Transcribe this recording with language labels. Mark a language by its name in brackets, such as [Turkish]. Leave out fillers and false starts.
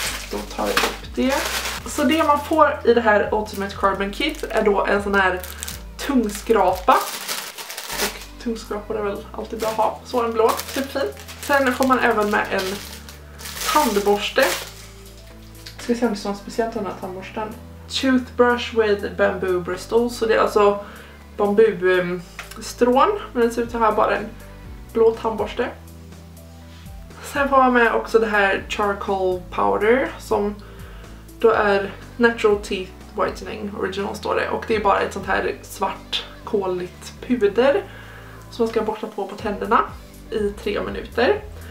[Swedish] Då tar jag upp det. Så det man får i det här Ultimate Carbon Kit är då en sån här tungskrapa. Och tungskrapor är väl alltid bra att ha. Så en blå, typ fint. Sen får man även med en tandborste. Jag ska se om det står speciellt den här tandborsten. [English] Toothbrush with bamboo bristles. [Swedish] Så det är alltså bambustrån. Men det ser ut så här, bara en blå tandborste. Sen får man med också det här charcoal powder som då är Natural Teeth Whitening Original står det. Och det är bara ett sånt här svart koligt puder som man ska borsta på tänderna i 3 minuter.